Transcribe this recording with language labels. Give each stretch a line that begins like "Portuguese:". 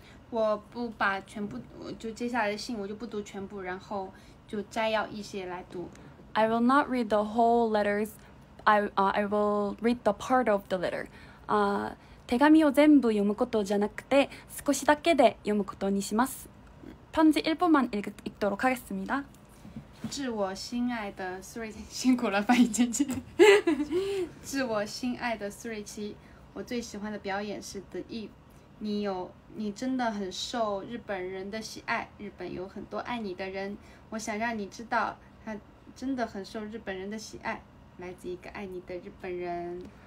Chinese: 我不把全部，就接下来的信我就不读全部，然后就摘要一些来读。
English: I will not read the whole letters. I will read the part of the letter.
Japanese: 手紙を全部読むことじゃなくて少しだけで読むことにします。
Korean: 편지1부만읽도록하겠습니다。
Chinese: 致我心爱的苏瑞琪，辛苦了，翻译姐姐。致我心爱的苏瑞琪，我最喜欢的表演是 The Eve。你真的很受日本人的喜爱，日本有很多爱你的人，我想让你知道他真的很受日本人的喜爱，来自一个爱你的日本人。